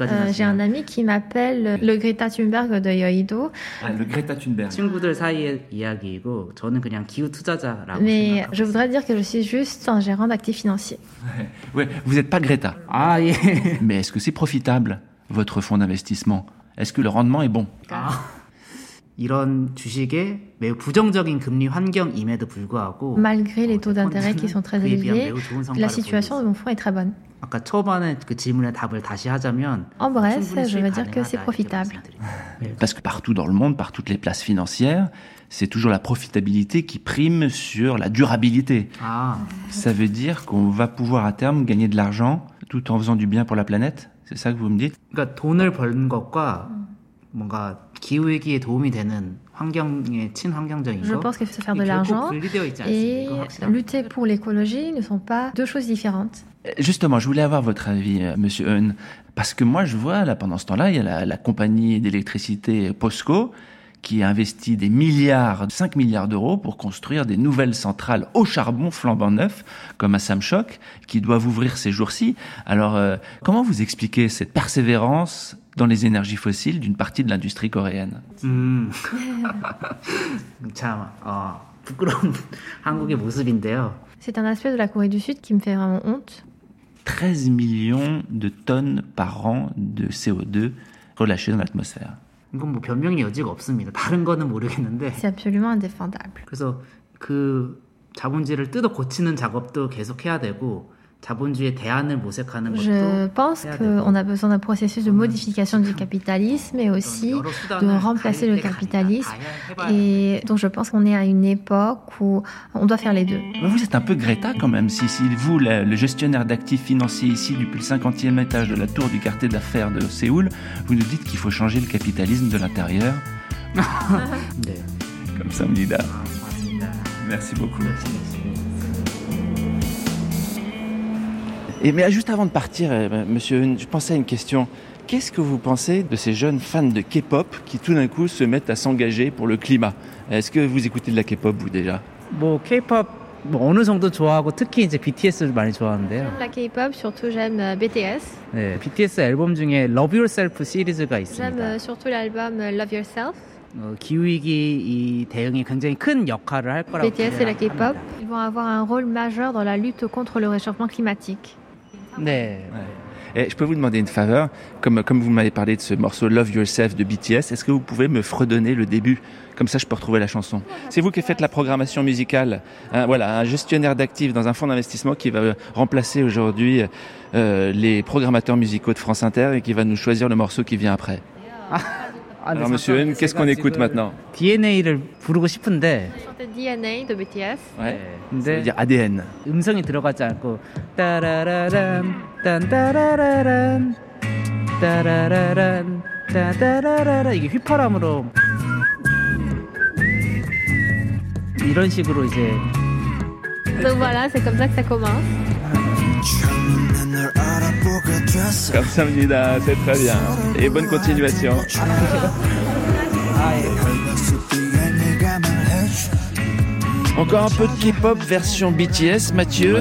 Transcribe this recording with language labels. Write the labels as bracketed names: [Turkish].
[French] J'ai un ami qui m'appelle le Greta Thunberg de Yeouido. Ah, le Greta Thunberg. [Korean] 친구들 사이의 이야기이고 저는 그냥 기후 투자자라고. [French] Mais je voudrais dire que je suis juste un gérant d'actifs financiers. Ouais, vous n'êtes pas Greta. [English] Ah, yeah. [French] Mais est-ce que c'est profitable votre fonds d'investissement? Est-ce que le rendement est bon? Ah. [Korean] 이런 주식에 매우 부정적인 금리 환경임에도 불구하고 [French] Malgré les taux d'intérêt qui sont très élevés, la situation de mon fonds est très bonne. [Korean] 아까 초반에 그 질문에 답을 다시 하자면 [French] En bref, je veux dire que c'est profitable. Parce que partout dans le monde, par toutes les places financières, c'est toujours la profitabilité qui prime sur la durabilité. Ah. Ça veut dire qu'on va pouvoir à terme gagner de l'argent tout en faisant du bien pour la planète? C'est ça que vous me dites? [Korean] 그러니까 돈을 버는 것과 뭔가 기후 위기에 도움이 되는 환경에 친환경적이고. [French] Je pense que se faire de l'argent et lutter pour l'écologie ne sont pas deux choses différentes. Justement, je voulais avoir votre avis, Monsieur Eun, parce que moi, je vois là pendant ce temps-là, il y a la compagnie d'électricité POSCO qui a investi des milliards, 5 milliards d'euros pour construire des nouvelles centrales au charbon flambant neuf, comme à Samchok, qui doivent ouvrir ces jours-ci. Alors, comment vous expliquez cette persévérance dans les énergies fossiles d'une partie de l'industrie coréenne ? [Korean] 참, 부끄러운 한국의 모습인데요. [French] C'est un aspect de la Corée du Sud qui me fait vraiment honte. 13 millions de tonnes par an de CO2 relâchées dans l'atmosphère. [Korean] 이건 뭐 변명의 여지가 없습니다. 다른 거는 모르겠는데. [French] C'est absolument indéfendable. [Korean] 그래서 그 자본주의를 뜯어 고치는 작업도 계속 해야 되고 자본주의의 대안을 모색하는 것도 해야 되고. [French] Je pense qu'on a besoin d'un processus de modification du capitalisme et aussi de remplacer le capitalisme. Et donc je pense qu'on est à une époque où on doit faire les deux. Mais vous êtes un peu Greta quand même. Si vous, le gestionnaire d'actifs financiers ici depuis le 50e étage de la tour du quartier d'affaires de Séoul, vous nous dites qu'il faut changer le capitalisme de l'intérieur. Comme ça, Mlida. Merci beaucoup. Mais juste avant de partir, monsieur, je pensais à une question. Qu'est-ce que vous pensez de ces jeunes fans de K-pop qui tout d'un coup se mettent à s'engager pour le climat ? Est-ce que vous écoutez de la K-pop, vous, déjà ? [Korean] K-pop, 어느 정도 좋아하고 특히 이제 BTS를 많이 좋아하는데요. [French] La K-pop, surtout j'aime BTS. [Korean] 네, BTS 앨범 중에 Love Yourself 시리즈가 있습니다. [French] J'aime surtout l'album Love Yourself. [Korean] 기후위기 이 대응이 굉장히 큰 역할을 할 거라고 BTS 기대를 합니다. [French] BTS et la K-pop, ils vont avoir un rôle majeur dans la lutte contre le réchauffement climatique. [Korean] 네. [French] Et je peux vous demander une faveur, comme vous m'avez parlé de ce morceau Love Yourself de BTS, est-ce que vous pouvez me fredonner le début, comme ça je peux retrouver la chanson. C'est vous qui faites la programmation musicale, voilà, un gestionnaire d'actifs dans un fonds d'investissement qui va remplacer aujourd'hui les programmateurs musicaux de France Inter et qui va nous choisir le morceau qui vient après. Alors monsieur Eun, qu'est-ce qu'on écoute maintenant ? [Korean] DNA를 부르고 싶은데. [French] DNA de BTS. Ouais. ADN. [Korean] 음성이 들어가지 않고 따라라란 딴따라라란 따라라란 따라라라 이게 휘파람으로 이런 식으로 이제 [French] Donc voilà, c'est comme ça que ça commence. Comme ça, Mlida, c'est très bien. Et bonne continuation. Encore un peu de K-pop version BTS, Mathieu.